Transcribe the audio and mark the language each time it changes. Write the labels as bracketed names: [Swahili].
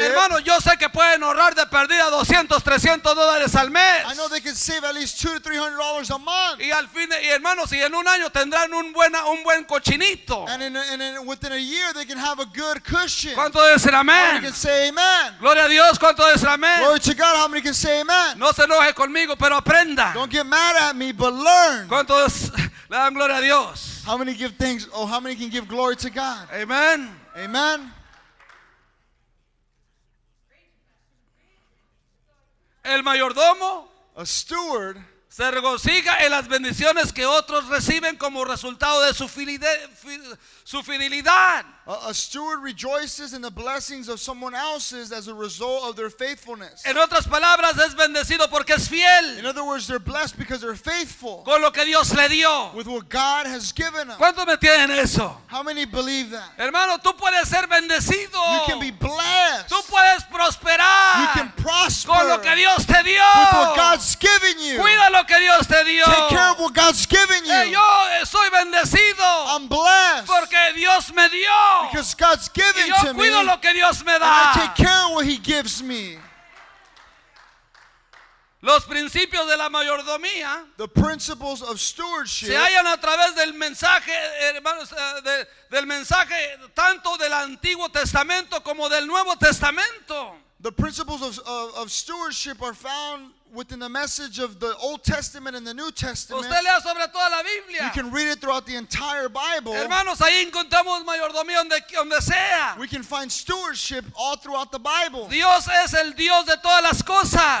[Spanish] hermano, yo sé que pueden ahorrar de perdida $200, $300 al mes. [English] I know they can save at least $200 to $300 a month. [Spanish] Y al fin, y hermanos, y en un año tendrán un buen cochinito. [English] And within a year they can have a good cushion. [Spanish] ¿Cuánto dicen amén? [English] How many can say amen? [Spanish] Gloria a Dios. ¿Cuánto dicen amén? [English] Glory to God. How many can say amen? [Spanish] No se enoje conmigo, pero aprenda. [English] Don't get mad at me, but learn. [Spanish] ¿Cuántos le dan gloria a Dios? [English] How many give thanks? Oh, how many can give glory to God? Amen. Amen. [Spanish] El mayordomo, [English] a steward, [Spanish] se regocija en las bendiciones que otros reciben como resultado de su fidelidad. [English] A steward rejoices in the blessings of someone else's as a result of their faithfulness. [Spanish] En otras palabras, es bendecido porque es fiel. [English] In other words, they're blessed because they're faithful. [Spanish] Con lo que Dios le dio. [English] With what God has given them. [Spanish] ¿Cuántos me tienen eso? [English] How many believe that? [Spanish] Hermano, tú puedes ser bendecido. [English] You can be blessed. [Spanish] Tú puedes prosperar. [English] You can prosper. [Spanish] Con lo que Dios te dio. [English] With what God's given you. [Spanish] Cuida lo que Dios te dio. [English] Take care of what God's given you. [Spanish] Yo soy bendecido. [English] I'm blessed. [Spanish] Porque Dios me dio. [English] Because God's given [Spanish] yo cuido [English] to me, [Spanish] lo que Dios me da. [English] And I take care of what He gives me. [Spanish] Los principios de la mayordomía, [English] the principles of stewardship, [Spanish] se hallan a través del mensaje, hermanos, del mensaje tanto del Antiguo Testamento como del Nuevo Testamento. [English] The principles of stewardship are found within the message of the Old Testament and the New Testament. [Spanish] Usted lea sobre toda la Biblia. [English] You can read it throughout the entire Bible. [Spanish] Hermanos, ahí encontramos mayordomía donde sea. [English] We can find stewardship all throughout the Bible. [Spanish] Dios es el Dios de todas las cosas.